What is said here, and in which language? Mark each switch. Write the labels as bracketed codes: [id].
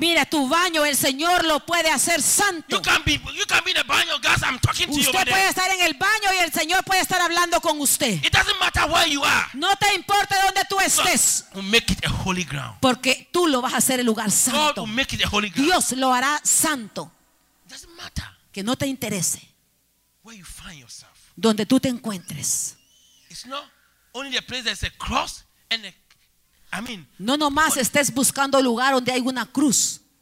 [es] Mira, tu baño, el Señor lo puede hacer santo. [en] You can be in the baño, guys, I'm talking to [es] usted [en] you [es] puede [en] there. [es] Estar en el baño y el Señor puede estar hablando con usted. [en] It doesn't matter where you are. [es] No te importa dónde tú estés. [en] God will make it a holy ground. [es] Porque tú lo vas a hacer el lugar santo. [en] God will make it a holy ground. [es] Dios lo hará santo. [en] It doesn't matter. [es] Que no te interese. [en] Where you find yourself. [es] Donde tú te encuentres. [en] It's not only a place that's a cross and a, I mean, [es] no nomás estés buscando lugar donde hay una cruz.